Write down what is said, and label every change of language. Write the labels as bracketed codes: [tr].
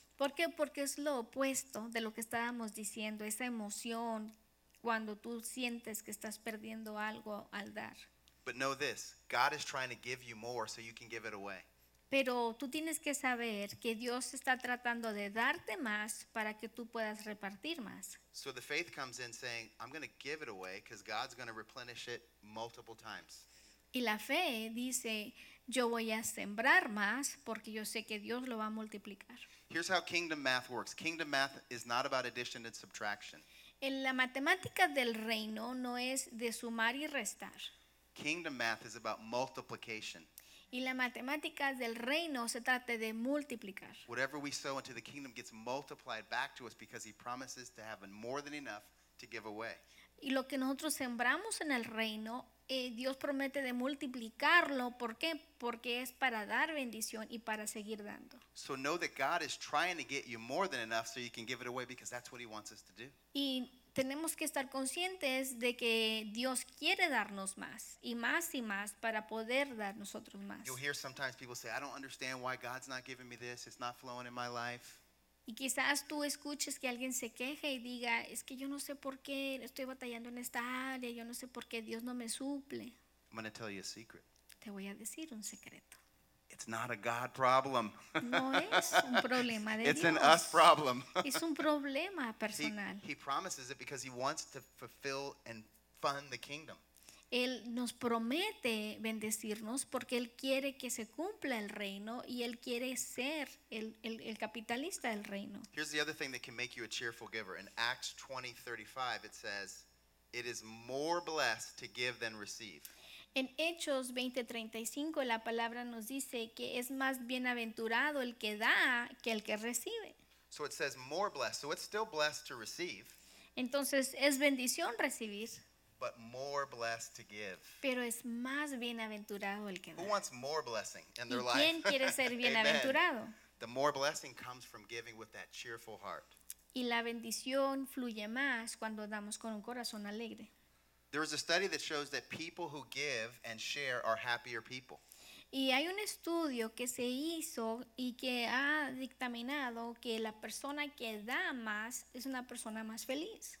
[es] ¿Por qué? Porque es lo opuesto de lo que estábamos diciendo, esa emoción cuando tú sientes que estás perdiendo algo al dar. [en] But know this, God is trying to give you more so you can give it away. [es] Pero tú tienes que saber que Dios está tratando de darte más para que tú puedas repartir más. [en] So the faith comes in saying, I'm going to give it away because God's going to replenish it multiple times. [es] Y la fe dice, yo voy a sembrar más porque yo sé que Dios lo va a multiplicar. [en] Here's how kingdom math works. Kingdom math is not about addition and subtraction. [es] En la matemática del reino no es de sumar y restar. [en] Kingdom math is about multiplication. [es] Y la matemática del reino se trata de multiplicar. [en] Whatever we sow into the kingdom gets multiplied back to us because he promises to have more than enough to give away. [es] Y lo que nosotros sembramos en el reino, Dios promete de multiplicarlo. ¿Por qué? Porque es para dar bendición y para seguir dando. [en] So know that God is trying to get you more than enough so you can give it away because that's what he wants us to do. [es] Y tenemos que estar conscientes de que Dios quiere darnos más y más y más para poder dar nosotros más. [en] You'll hear sometimes people say, I don't understand why God's not giving me this. It's not flowing in my life. [es] Y quizás tú escuches que alguien se queje y diga, es que yo no sé por qué estoy batallando en esta área, yo no sé por qué Dios no me suple. [en] I'm going to tell you a secret. [es] Te voy a decir un secreto. [en] It's not a God problem. [es] No es un problema de [en] It's [es] Dios. [en] An us problem. [es] Es un problema personal. [en] He promises it because he wants to fulfill and fund the kingdom. [es] Él nos promete bendecirnos porque él quiere que se cumpla el reino y él quiere ser el capitalista del reino. [en] Here's the other thing that can make you a cheerful giver. In Acts 20:35 it says, it is more blessed to give than receive. [es] En Hechos 20:35 la palabra nos dice que es más bienaventurado el que da que el que recibe. [en] So it says more blessed. So it's still blessed to receive. [es] Entonces es bendición recibir. [en] But more blessed to give. [es] Pero es más bienaventurado el que da. [en] Who wants more blessing in their life? [es] ¿Y quién quiere ser bienaventurado? [en] The more blessing comes from giving with that cheerful heart. [es] Y la bendición fluye más cuando damos con un corazón alegre. [en] There was a study that shows that people who give and share are happier people. [es] Y hay un estudio que se hizo y que ha dictaminado que la persona que da más es una persona más feliz.